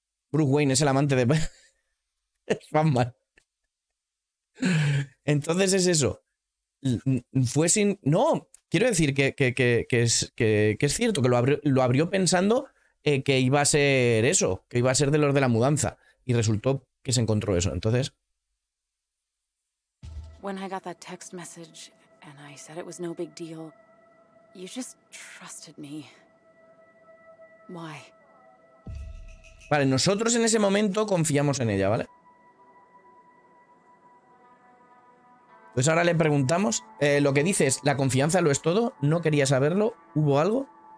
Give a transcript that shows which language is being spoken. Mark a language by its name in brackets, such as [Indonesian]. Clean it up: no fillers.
[Spanish] Bruce Wayne es el amante de... Es Batman. Entonces es eso. Fue sin... No, Quiero decir que es cierto que lo abrió pensando que iba a ser eso, que iba a ser de los de la mudanza. Y resultó que se encontró eso. Entonces. [English] When I got that text message and I said it was no big deal, you just trusted me. Why? [Spanish] Vale, nosotros en ese momento confiamos en ella, ¿vale? Pues ahora le preguntamos, lo que dice es, la confianza lo es todo, no quería saberlo, ¿hubo algo?